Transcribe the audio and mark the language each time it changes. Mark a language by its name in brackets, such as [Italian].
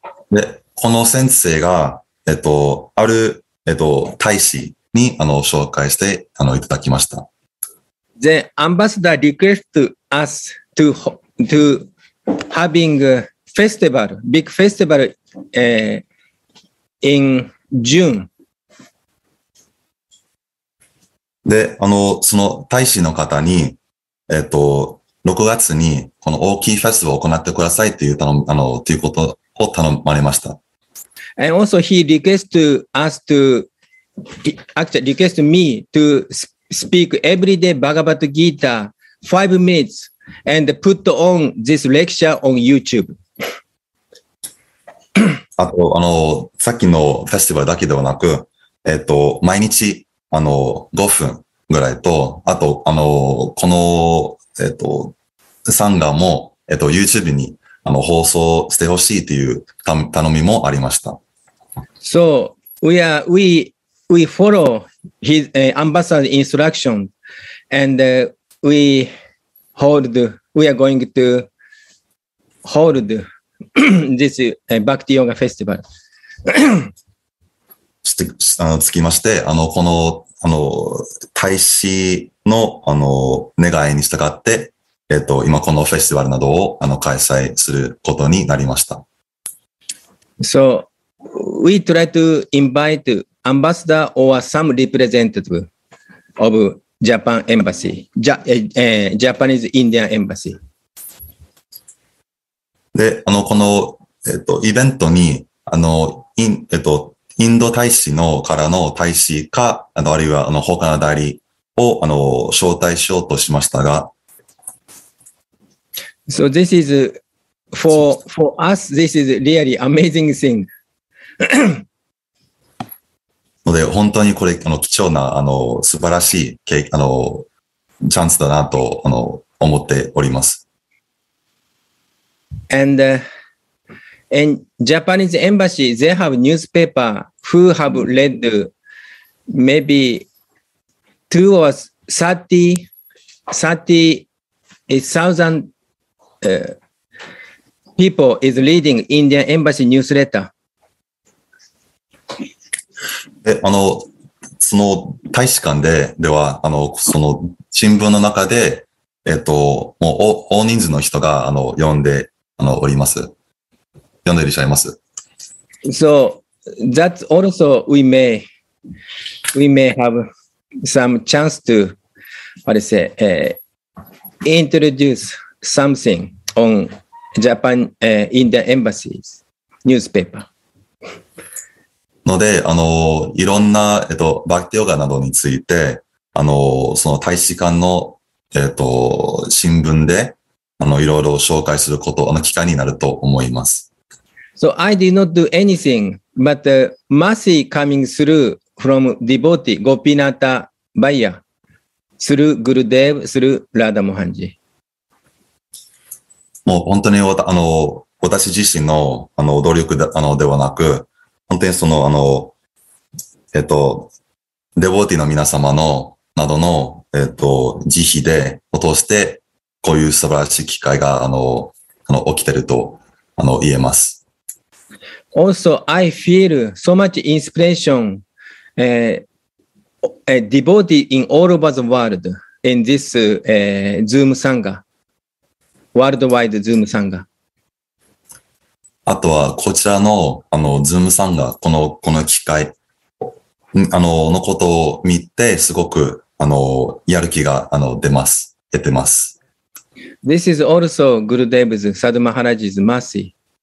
[Japanese] で、この先生がある大使に紹介していただきました。 [English] The ambassador requested us to havingfestival, big festival, in June. [Japanese] で、その大使の方に、6月にこの大きいフェスを行ってくださいっていう頼む、ということを頼まれました。 [English] And also he requested us to, actually request me to speak every day Bhagavad Gita 5 minutes and put on this lecture on YouTube. [Japanese] あと、さっきのフェスティバルだけではなく、毎日、5分ぐらいと、あと、この、サンガも、YouTube に、放送してほしいという頼みもありました。 [English] So, we follow his, ambassador's instruction, and, we are going to hold,This Bhakti Yoga Festival. [Japanese] つきまして、この、大使の、願いに従って、今このフェスティバルなどを、開催することになりました。 [English] So, we try to invite ambassador or some representative of Japan Embassy, Japanese Indian Embassy. [Japanese] で、この、イベントに、インド大使のからの大使か、あるいは、他の代理を、招待しようとしましたが。 [English] So this is, for us, this is really amazing thing. [Japanese] ので、本当にこれ、貴重な、素晴らしい、チャンスだなと、思っております。 [English] And in Japanese embassy, they have newspaper who have read maybe 30,000 people is reading Indian embassy newsletter. [Japanese] で、その大使館で、では、その新聞の中で、もう大人数の人が、読んで、おります。読んでいらっしゃいます。 [English] So, that's also we may have some chance to, what I say, introduce something on Japan, in the embassy's newspaper. [Japanese] ので、いろんな、バクティヨガなどについて、その大使館の、新聞で、いろいろ紹介すること、機会になると思います。 [English] So I did not do anything, but mercy coming through from devotee, Gopinatha Bhaiya, through Gurudev, through Radha Mohanji. [Japanese] もう本当に私自身の努力だではなく、本当にそのデボーティの皆様のなどの慈悲で落としてこういう素晴らしい機会が起きていると言えます。 [English] Also, I feel so much inspiration, devotee in all over the world in this, Zoom Sangha, worldwide Zoom Sangha. [Japanese] あとは、こちらの、ズームさんが、この機会、のことを見て、すごく、やる気が、出てます。 [English] This is also Gurudev's Sadhu Maharaj's mercy.